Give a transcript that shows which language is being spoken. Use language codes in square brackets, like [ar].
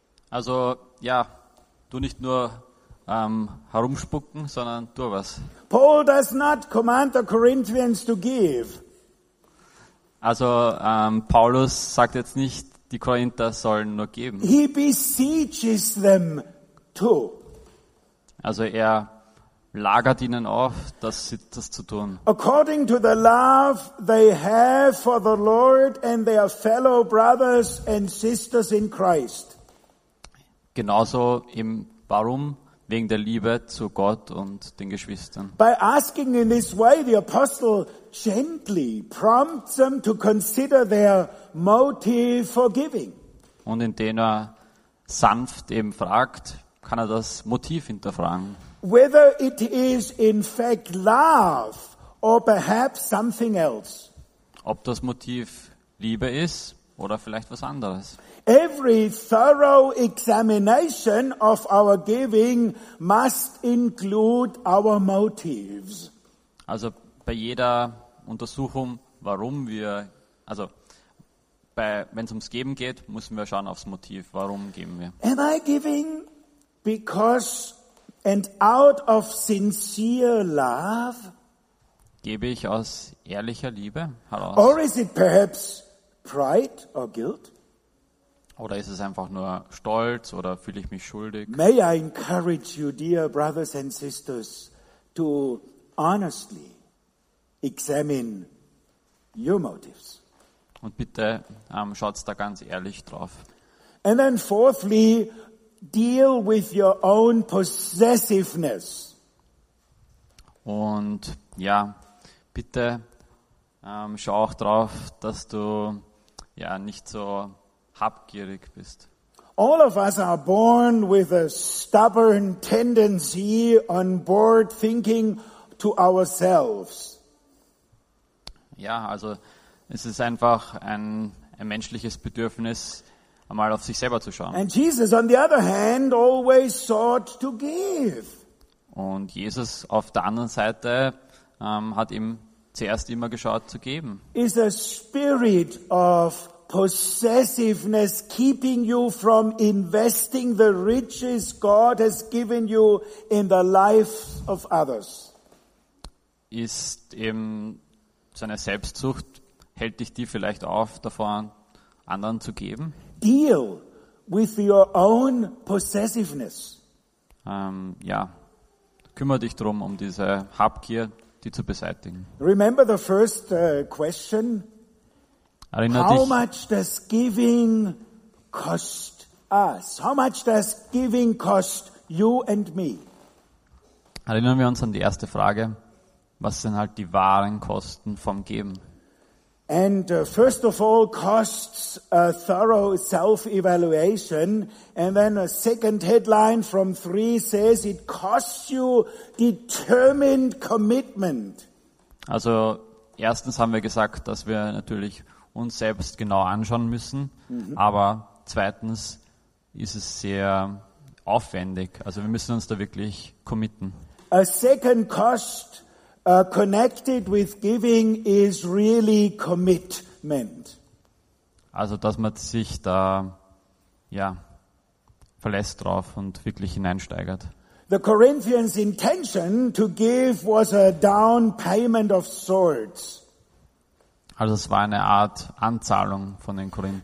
[de] Also, ja, tu nicht nur herumspucken, sondern tu was. [en] Paul does not command the Corinthians to give. [de] Also, Paulus sagt jetzt nicht, die Korinther sollen nur geben. [en] He beseeches them to. [de] Also er lagert ihnen auf, das zu tun. [en] According to the love they have for the Lord and their fellow brothers and sisters in Christ. [de] Genauso im Warum? Wegen der Liebe zu Gott und den Geschwistern. [en] By asking in this way, the apostle gently prompts them to consider their motive for giving. [de] Und indem er sanft eben fragt, kann er das Motiv hinterfragen. [en] Whether it is in fact love or perhaps something else. [de] Ob das Motiv Liebe ist oder vielleicht was anderes. [en] Every thorough examination of our giving must include our motives. [de] Also bei jeder Untersuchung, warum wir, also wenn es ums Geben geht, müssen wir schauen aufs Motiv, warum geben wir. [en] Am I giving because and out of sincere love? [de] Gebe ich aus ehrlicher Liebe heraus? [en] Or is it perhaps pride or guilt? [de] Oder ist es einfach nur Stolz oder fühle ich mich schuldig? [en] May I encourage you, dear brothers and sisters, to honestly examine your motives. [de] Und bitte schaut da ganz ehrlich drauf. [en] And then fourthly, deal with your own possessiveness. [de] Und ja, bitte schau auch drauf, dass du ja nicht so habgierig bist. [en] All of us are born with a stubborn tendency on board thinking to ourselves. [de] Ja, also es ist einfach ein menschliches Bedürfnis, einmal auf sich selber zu schauen. [en] And Jesus on the other hand always sought to give. [de] Und Jesus auf der anderen Seite hat ihm zuerst immer geschaut zu geben. [en] Is a spirit of possessiveness keeping you from investing the riches God has given you in the life of others? [de] Ist eben so eine Selbstsucht, hält dich die vielleicht auf davon, anderen zu geben. [en] Deal with your own possessiveness. [de] Ja, kümmere dich drum, um diese Habgier, die zu beseitigen. [en] Remember the first question? How much does giving cost us? How much does giving cost you and me? [de] Erinnern wir uns an die erste Frage. Was sind halt die wahren Kosten vom Geben? [en] And first of all costs a thorough self-evaluation. And then a second headline from 3 says it costs you determined commitment. [de] Also erstens haben wir gesagt, dass wir natürlich uns selbst genau anschauen müssen. Mm-hmm. Aber zweitens ist es sehr aufwendig. Also wir müssen uns da wirklich committen. [en] A second cost connected with giving is really commitment. [de] Also, dass man sich da, ja, verlässt drauf und wirklich hineinsteigert. [en] The Corinthians' intention to give was a down payment of sorts. [de] Also, es war eine Art Anzahlung von den Korinthern.